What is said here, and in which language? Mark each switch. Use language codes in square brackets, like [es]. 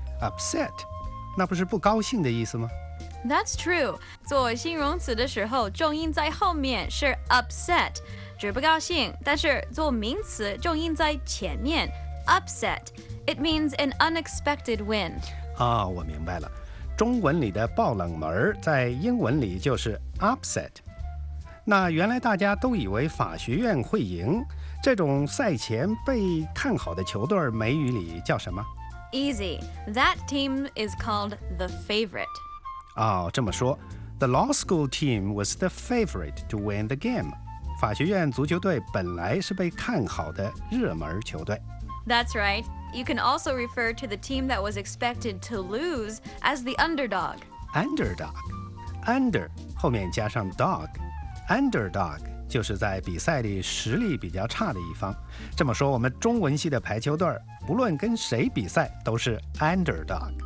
[en] Upset? [zh] 那不是不高兴的意思吗？ [en] That's true. [zh] 做形容词的时候，重音在后面是 upset， 指不高兴。但是做名词，重音在前面 upset。 [en] It means an unexpected win. [zh] 哦，我明白了。中文里的爆冷门，在英文里就是 upset。那原来大家都以为法学院会赢，这种赛前被看好的球队，美语里叫什么？ [en] Easy. That team is called the favorite. [zh] 哦，这么说 [en] The law school team was the favorite to win the game. [zh] 法学院足球队本来是被看好的热门球队。 [en] That's right. You can also refer to the team that was expected to lose as the underdog. Underdog. Under [zh] 后面加上 [en] dog. [zh] Underdog 就是在比赛里实力比较差的一方。这么说，我们中文系的排球队不论跟谁比赛都是 underdog。